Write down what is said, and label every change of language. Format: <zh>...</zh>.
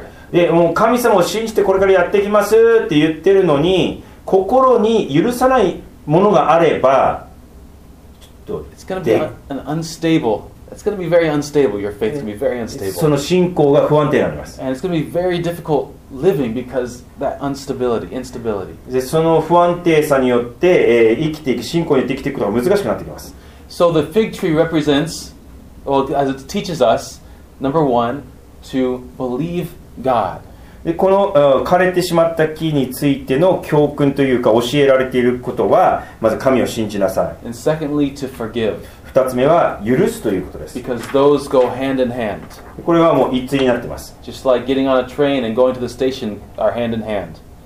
<ja>でもう神様を信じてこれからやっていきますって言ってるのに心に許さないものがあれば</ja> <en>ちょっと It's going to be very unstable.</en> <ja>その信仰が不安定になります。</ja> <en>And it's going to be very difficult living because that instability.</en> <ja>でその不安定さによって、生きていく信仰によって生きていくのが難しくなってきます。</ja> <en>So the fig tree represents, well, as it teaches us, number one, to believeGod.</en> <ja>でこの枯れてしまった木についての教訓というか教えられていることは、まず神を信じなさい。</ja> <en>And secondly, to forgive.</en> <ja>二つ目は許すということです。</ja> <en>Because those go hand in hand.</en> <ja>これはもう一対になってます。</ja> <en>Just like getting on a train and going to the station are hand in hand.</en>